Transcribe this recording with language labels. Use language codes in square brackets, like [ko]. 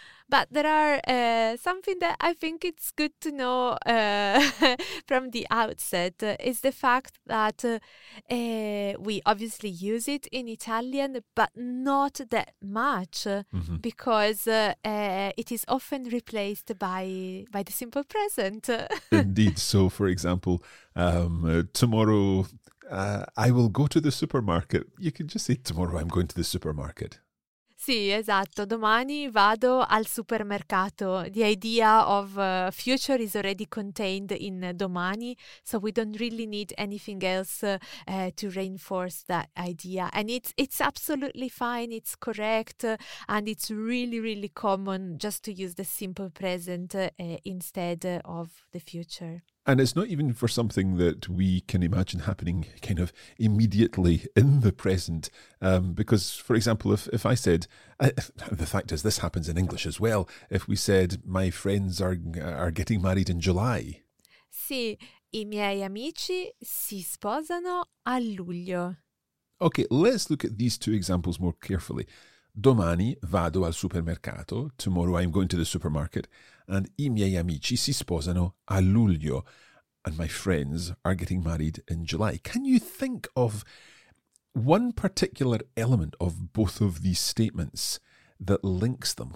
[en] But there are something that I think it's good to know from the outset is the fact that we obviously use it in Italian, but not that much mm-hmm. because it is often replaced by the simple present. Indeed. So, for example, tomorrow I will go to the supermarket. You can just say, tomorrow I'm going to the supermarket. [it] Sì, esatto. Domani vado al supermercato. [en] The idea of future is already contained in domani, so we don't really need anything else to reinforce that idea. And it's absolutely fine, it's correct, and it's really, really common just to use the simple present instead of the future. And it's not even for something that we can imagine happening kind of immediately in the present. Because, for example, if I said, the fact is this happens in English as well, if we said my friends are getting married in July. [it] Sì, i miei amici si sposano a luglio. [en] Okay, let's look at these two examples more carefully. [it] Domani vado al supermercato, [en] tomorrow I'm going to the supermarket, and [it] i miei amici si sposano a luglio, [en] and my friends are getting married in July. Can you think of one particular element of both of these statements that links them?